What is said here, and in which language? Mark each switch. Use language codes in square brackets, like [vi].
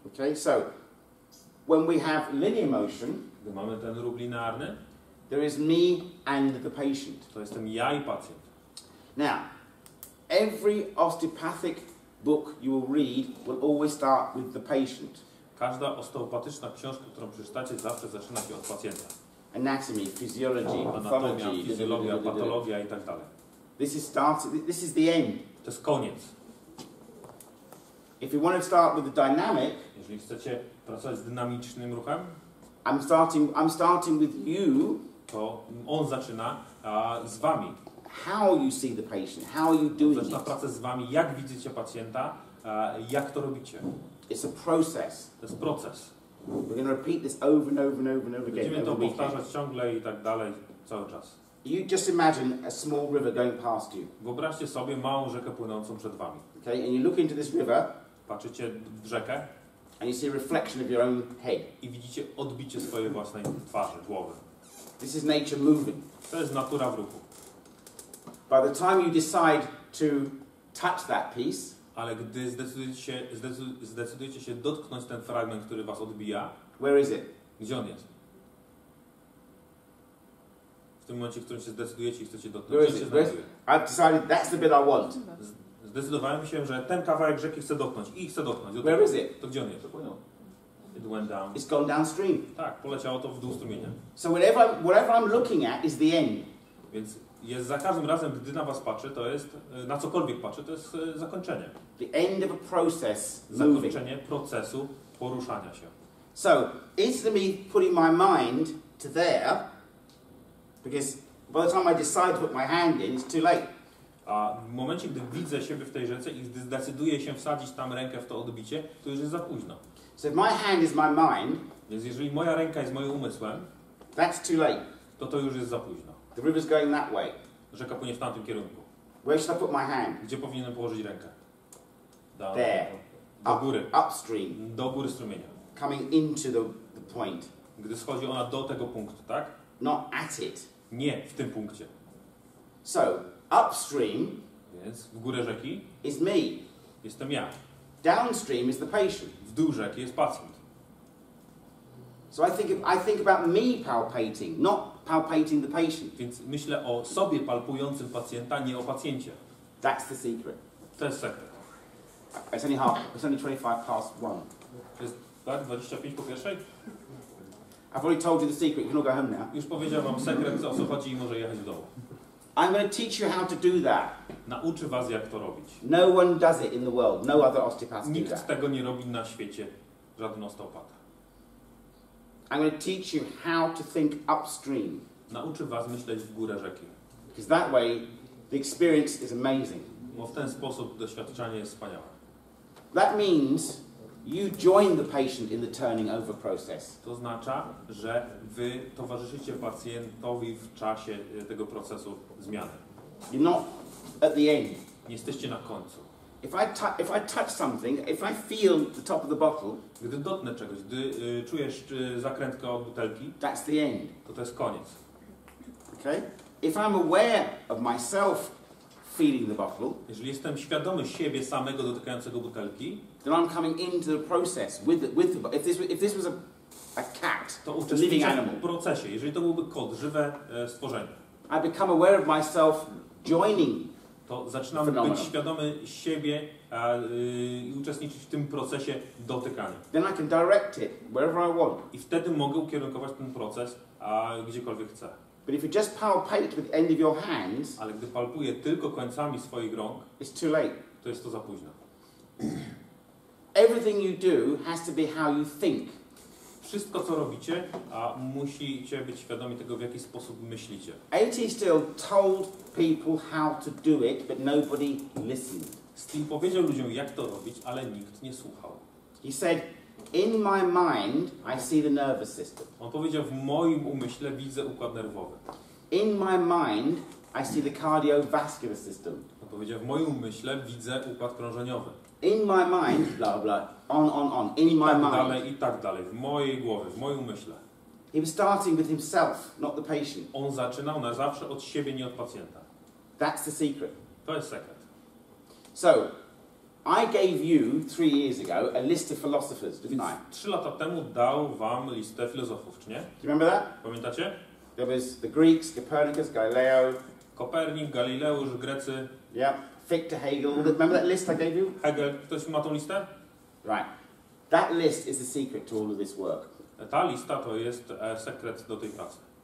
[en] Okay, so when we have linear motion, [pl] gdy mamy ten ruch linearny, [en] there is me and the patient. [pl] To jestem ja i pacjent. [en] Now, every osteopathic book you will read will always start with the patient. [pl] Każda osteopatyczna książka, którą przeczytacie, zawsze zaczyna się od pacjenta. [en] Anatomy, physiology, [pl] anatomia, fizjologia, patologia i tak dalej. [en] This is this is the end. [pl] To jest koniec. [en] If you want to start with the dynamic, [pl] jeżeli chcecie pracować z dynamicznym ruchem, [en] I'm starting with you. [pl] To on zaczyna z wami. [en] How you see the patient? How are you doing it? [pl] Zaczyna pracę z wami. Jak widzicie pacjenta? Jak to robicie? [en] It's a process. [pl] To jest proces. [en] We're going to repeat this over and over and over and over again. [pl] Będziemy to powtarzać ciągle i tak dalej cały czas. [en] You just imagine a small river going past you. [pl] Wyobraźcie sobie małą rzekę płynącą przed wami. [en] Okay, and you look into this river. [pl] Patrzycie w rzekę. [en] And you see a reflection of your own head. [pl] I widzicie odbicie swojej własnej twarzy, głowy. [en] This is nature moving. [pl] To jest natura w ruchu. [en] By the time you decide to touch that piece. [pl] Ale gdy zdecydujecie się dotknąć ten fragment, który was odbija. [en] Where is it? [pl] Gdzie on jest? W tym momencie, w którym się zdecydujecie i chcecie dotknąć, [en] I've decided that's the bit I want. [pl] Zdecydowałem się, że ten kawałek rzeki chcę dotknąć. [en] Where is it? [pl] To gdzie on jest? [en] It went down. It's gone downstream. [pl] Tak, poleciało to w dół strumienia. [en] So whatever I'm looking at is the end. [pl] Więc jest za każdym razem, gdy na was patrzę, to jest na cokolwiek patrzę, to jest zakończenie. [en] The end of a process. [pl] Zakończenie [en] moving. [pl] Procesu poruszania się. [en] So instead of me putting my mind to there, because by the time I decide to put my hand in, it's too late. [pl] A w momencie, gdy widzę siebie w tej rzece i gdy decyduję się wsadzić tam rękę w to odbicie, to już jest za późno. [en] So if my hand is my mind, [pl] więc jeżeli moja ręka jest moim umysłem, [en] that's too late. [pl] To już jest za późno. [en] The river's going that way. [pl] Rzeka płynie w tamtym kierunku. [en] Where should I put my hand? [pl] Gdzie powinienem położyć rękę? [en] There. [pl] Do góry. [en] Upstream. [pl] Do góry strumienia. [en] Coming into the point. [pl] Gdy schodzi ona do tego punktu, tak? [en] Not at it. [pl] Nie w tym punkcie. [en] So upstream, [pl] więc w górę rzeki, [en] is me. [pl] Jestem ja. [en] Downstream is the patient. [pl] W dół rzeki jest pacjent. [en] So I think about me palpating, not palpating the patient. [pl] Więc myślę o sobie palpującym pacjenta, nie o pacjencie. [en] That's the secret. [pl] To jest sekret. [en] It's only 25 past one. [pl] Jest tak 25 po pierwszej? [en] I've already told you the secret. You can all go home now. [pl] Już powiedziałem wam sekret, co chodzi i może jechać do domu. [en] I'm going to teach you how to do that. [pl] Nauczę was, jak to robić. [en] No one does it in the world. No other osteopath does that. [pl] Nikt tego nie robi na świecie. Żaden osteopata. [en] I'm going to teach you how to think upstream. [pl] Nauczę was myśleć w górę rzeki. [en] Because that way, the experience is amazing. [pl] Bo w ten sposób doświadczenie jest wspaniałe. [en] That means you join the patient in the turning over process. [pl] To oznacza, że wy towarzyszycie pacjentowi w czasie tego procesu zmiany. [en] You're not at the end. [pl] Nie jesteście na końcu. [en] If I touch something, if I feel the top of the bottle, [pl] gdy dotknę czegoś, gdy czujesz zakrętkę od butelki, [en] that's the end. [pl] To jest koniec. [en] Okay? If I'm aware of myself feeling the bottle, [pl] jeżeli jestem świadomy siebie samego dotykającego butelki, [en] then I'm coming into the process with the if this was a cat, [pl] to [en] a living animal. [pl] W procesie, jeżeli to byłby kot, żywe stworzenie. [en] I become aware of myself joining. [pl] To zaczynam być świadomy siebie i uczestniczyć w tym procesie dotykania. [en] Then I can direct it wherever I want. [pl] I wtedy mogę ukierunkować ten proces gdziekolwiek chcę. [en] But if you just palpate with the end of your hands, [pl] ale gdy palpuję tylko końcami swoich rąk, [en] it's too late. [pl] To jest to za późno. [en] Everything you do has to be how you think. [pl] Wszystko co robicie, a musicie być świadomi tego, w jaki sposób myślicie. [en] AT still told people how to do it, but nobody listened. [pl] Steve powiedział ludziom, jak to robić, ale nikt nie słuchał. [en] He said, in my mind I see the nervous system. [pl] On powiedział, w moim umyśle widzę układ nerwowy. [en] In my mind I see the cardiovascular system. [pl] On powiedział, w moim umyśle widzę układ krążeniowy. [en] In my mind, blah, blah, on, in [pl] tak [en] my mind. [pl] Dalej, i tak dalej, w mojej głowie, w moim myśle. [en] He was starting with himself, not the patient. [pl] On zaczynał na zawsze od siebie, nie od pacjenta. [en] That's the secret. [pl] To jest sekret. [en] So, I gave you 3 years ago a list of philosophers, didn't I? [pl] 3 lata temu dał wam listę filozofów, czy nie? [en] Do you remember that? [pl] Pamiętacie? [en] There was the Greeks, Copernicus, Galileo. [pl] Kopernik, Galileusz, Grecy. [en] Yeah. Victor Hegel, remember that list I gave you? [pl] Hegel, ktoś ma tą listę? [en] Right. That list is the secret to all of this work. [pl] Ta lista to jest sekret do tej pracy.